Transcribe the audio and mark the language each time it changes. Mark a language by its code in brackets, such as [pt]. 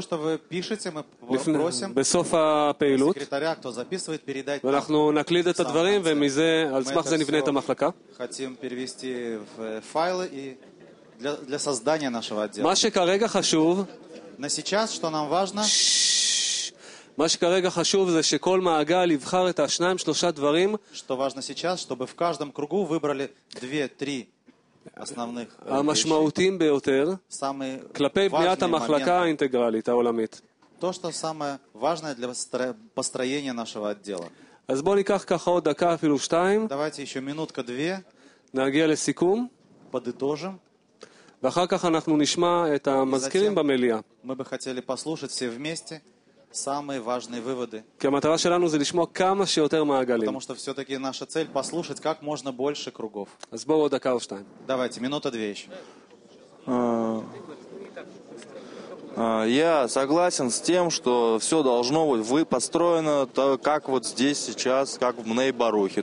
[ru] что вы пишете, мы попросим секретаря, кто записывает, передать. Мы хотим перевести в файлы и для создания нашего отдела. Мы хотим перевести в файлы и на сейчас, что нам важно? [he] מה שכרגע חשוב זה שכל מעגל יבחר את השניים, שלושה דברים. [ru] Что важно сейчас, чтобы в каждом кругу выбрали 2-3 основных [he] המשמעותיים ביותר. [ru] Самые [he] כלפי בניית המחלקה האינטגרלית, העולמית. [ru] То, что самое важное для построения нашего отдела. [he] אז בוא ניקח ככה עוד דקה, אפילו שתיים. [ru] Давайте еще минутка две. [he] נגיע לסיכום. [ru] Подытожим. [he] ואחר כך אנחנו נשמע את המזכירים במליאה. [ru] Мы бы хотели послушать все вместе самые важные выводы. [he] כי המטרה שלנו זה לשמוע כמה שיותר מעגלים. [ru] Потому что все-таки наша цель послушать как можно больше кругов. [he] אז בואו עוד דקה או שתיים. [ru] Давайте, минута две еще. Я согласен с тем, что все должно быть построено так, как вот здесь сейчас, как в Нейбарухе.